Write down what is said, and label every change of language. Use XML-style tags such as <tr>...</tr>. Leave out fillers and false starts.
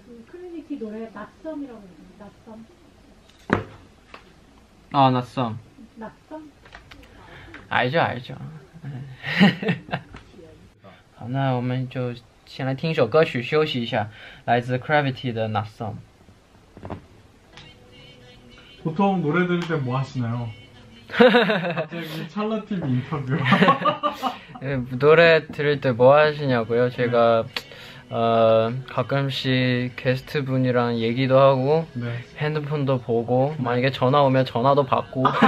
<ko>크리니키노래낙섬이라고낙섬 아낙섬 낙섬 알죠알죠</ko> <zh>好那我们就先来听一首歌曲休息一下来自 Gravity 的낙섬</zh> <ko>보통노래들을때뭐하시나요 갑자기 찰나팀 인터뷰. 노래 들을 때 뭐 하시냐고요? 제가 네. 가끔씩 게스트 분이랑 얘기도 하고 네. 핸드폰도 보고 만약에 전화 오면 전화도 받고.</ko>